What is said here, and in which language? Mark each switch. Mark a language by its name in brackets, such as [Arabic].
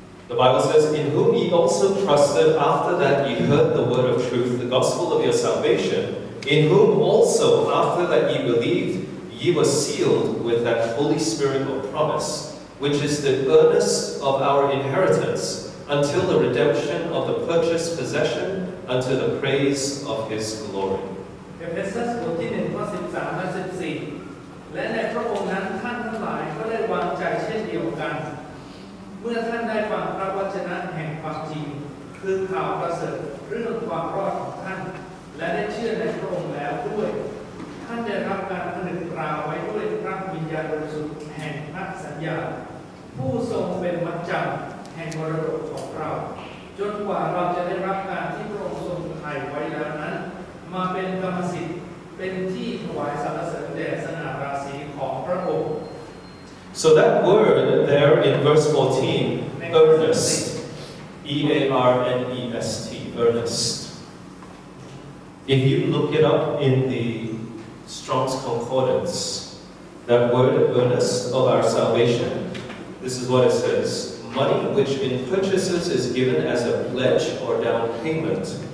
[English] The Bible says, In whom ye also trusted after that ye heard the word of truth, the gospel of your salvation, in whom also after that ye believed, ye were sealed with that Holy Spirit of promise, which is the earnest of our inheritance, until the redemption of the purchased possession, unto the praise of His glory. Ephesians 1, verse 13 and 14. [Thai] และในพระองค์นั้นท่านทั้งหลายก็ได้วางใจเช่นเดียวกันเมื่อท่านได้ฟังพระวจนะแห่งความจริงคือข่าวประเสริฐเรื่องความรอดของท่านและได้เชื่อในพระองค์แล้วด้วยท่านได้รับการผนึกตราไว้ด้วยพระวิญญาณบริสุทธิ์แห่งพระสัญญา ผู้ทรงเป็นมัจจำแห่งมรดกของเราจนกว่าเราจะได้รับการที่พระองค์ทรงถ่ายไว้แล้วนั้นมาเป็นกรรมสิทธิ์เป็นที่ถวายสรรเสริญแด่สง่าราศีของพระองค์ [English] So that word there in verse 14 earnest E-A-R-N-E-S-T earnest If you look it up in theStrong's Concordance, that word earnest of our salvation, this is what it says, money which in purchases is given as a pledge or down payment,